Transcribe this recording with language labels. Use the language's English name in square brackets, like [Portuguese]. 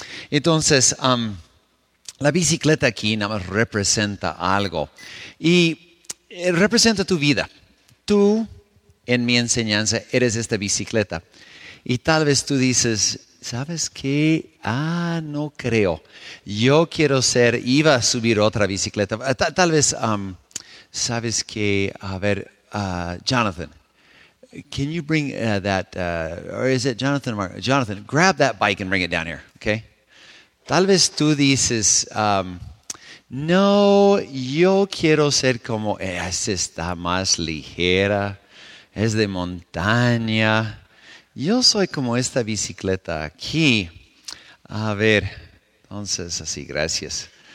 [Spanish] Entonces, la bicicleta aquí nada más representa algo y representa tu vida. Tú, en mi enseñanza, eres esta bicicleta. Y tal vez tú dices, ¿sabes qué? Ah, no creo. Yo quiero ser, iba a subir otra bicicleta. Tal vez, ¿sabes qué? A ver, [English] Jonathan, can you bring that, or is it Jonathan? Mark? Jonathan, grab that bike and bring it down here, okay? [Spanish] Tal vez tú dices, no, yo quiero ser como, esa está más ligera, es de montaña. Yo soy como esta bicicleta aquí. A ver, entonces así, gracias.